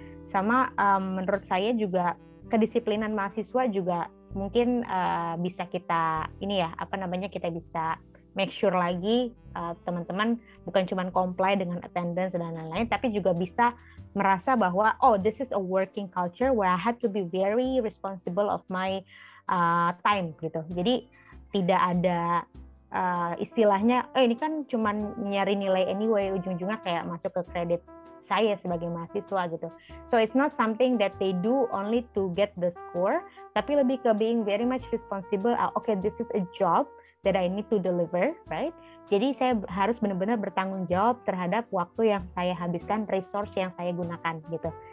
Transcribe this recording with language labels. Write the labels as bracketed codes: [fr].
[id] Sama menurut saya juga kedisiplinan mahasiswa juga mungkin bisa kita ini ya, apa namanya, kita bisa make sure lagi teman-teman bukan cuma comply dengan attendance dan lain-lain, tapi juga bisa merasa bahwa oh, [en] this is a working culture where I have to be very responsible of my time [id] gitu. Jadi tidak ada istilahnya, oh ini kan cuma nyari nilai anyway, ujung-ujungnya kayak masuk ke kredit saya sebagai mahasiswa gitu. [en] So it's not something that they do only to get the score, [id] tapi lebih ke [en] being very much responsible. Okay, this is a job that I need to deliver, right? [id] Jadi saya harus benar-benar bertanggung jawab terhadap waktu yang saya habiskan, resource yang saya gunakan gitu.